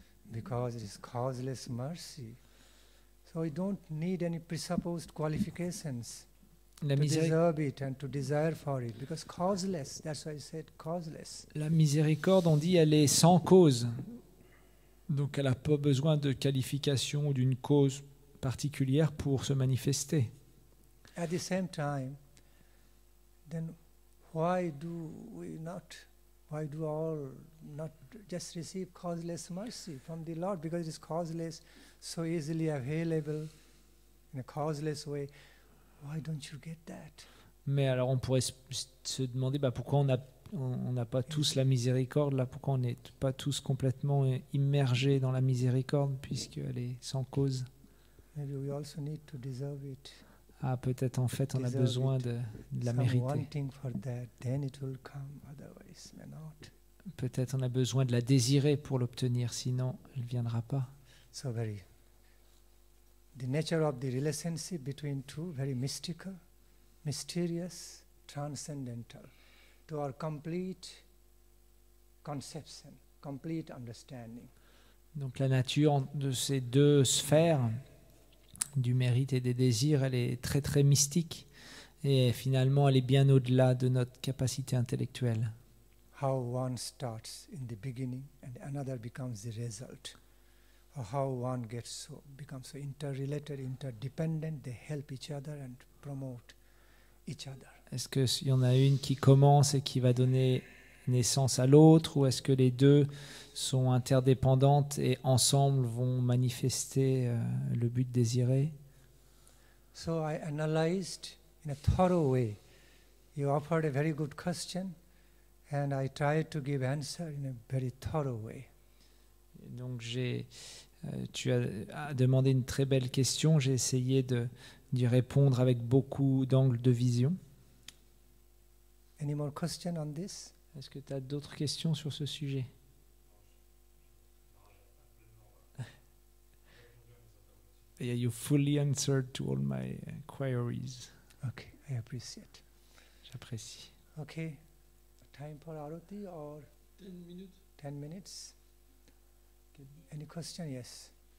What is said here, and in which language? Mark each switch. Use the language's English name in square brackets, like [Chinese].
[English] Because it is causeless mercy, so we don't need any presupposed qualifications to deserve it and to desire for it, because causeless. That's why I said causeless. [French] La miséricorde, on dit, elle est sans cause. Donc, elle n'a pas besoin de qualification ou d'une cause particulière pour se manifester. [English] At the same time, then why do we not, why do all not just receive causeless mercy from the Lord, because it is causeless, so easily available in a causeless way? Why don't you get that? [French] Mais alors, on pourrait se demander, bah, pourquoi on n'a pas tous la miséricorde là, pourquoi on n'est pas tous complètement immergés dans la miséricorde puisqu'elle est sans cause. [English] Maybe we also need to deserve it. [French] Ah, peut-être en fait on a besoin de la mériter. [English] Wanting for that, then it will come, otherwise may not. [French] Peut-être on a besoin de la désirer pour l'obtenir, sinon elle ne viendra pas. [English] So very, the nature of the relationship between two, very mystical, mysterious, transcendental. To our complete conception, complete understanding. [French] Donc la nature de ces deux sphères, du mérite et des désirs, elle est très très mystique et finalement elle est bien au-delà de notre capacité intellectuelle. [English] How one starts in the beginning and another becomes the result. Or how one gets so, becomes so interrelated, interdependent, they help each other and promote each other. [French] Est-ce qu'il y en a une qui commence et qui va donner naissance à l'autre, ou est-ce que les deux sont interdépendantes et ensemble vont manifester le but désiré? [English] So I analyzed in a thorough way. You offered a very good question and I tried to give answer in a very thorough way. [French] Donc tu as demandé une très belle question, j'ai essayé d'y répondre avec beaucoup d'angles de vision. [English] Any more question on this? [French] Est-ce que tu as d'autres questions sur ce sujet? [English] Yeah, you fully answered to all my queries. Okay, I appreciate. [French] J'apprécie. [English] Okay, time for aroti or 10 minutes? 10 minutes. Any question? Yes.